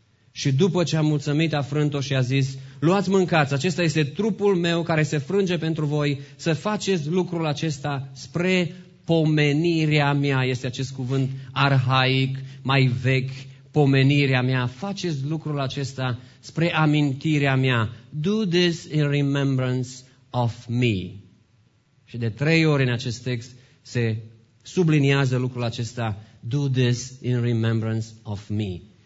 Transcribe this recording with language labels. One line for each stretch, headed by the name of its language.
Romanian: Și după ce a mulțumit, a frânt-o și a zis, luați mâncați, acesta este trupul meu care se frânge pentru voi, să faceți lucrul acesta spre pomenirea mea. Este acest cuvânt arhaic, mai vechi, pomenirea mea. Faceți lucrul acesta spre amintirea mea.
English: Do this in remembrance of me.
Romanian: Și de trei ori în acest text se subliniază lucrul acesta.
English: Do this in remembrance of me.